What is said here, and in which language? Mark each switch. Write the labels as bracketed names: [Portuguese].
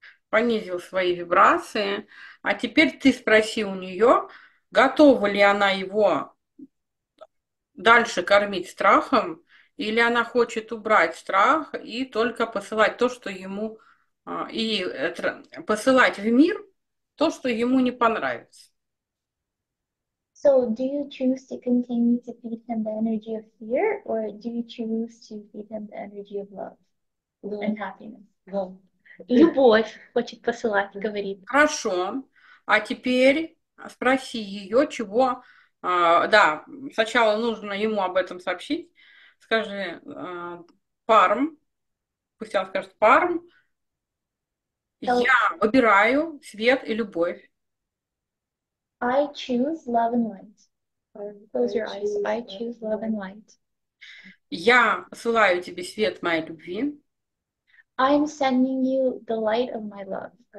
[Russian] Понизил свои вибрации. А теперь ты спроси у нее, готова ли она его дальше кормить страхом, или она хочет убрать страх и только посылать то, что ему, и посылать в мир то, что ему не понравится. [English] So, do you choose to continue to feed him the energy of fear, or do you choose to feed him the energy of love and [Russian] Ну, [English] happiness? [Russian] ну. Любовь хочет посылать, говорит. Хорошо, а теперь спроси ее, чего, да, сначала нужно ему об этом сообщить. Скажи, Парм, пусть он скажет, Парм, я [English] So [Russian] выбираю свет и любовь. [English] I choose love and light. Close your eyes. I choose love and light. [Russian] Я посылаю тебе свет моей любви. [English] I'm sending you the light of my love.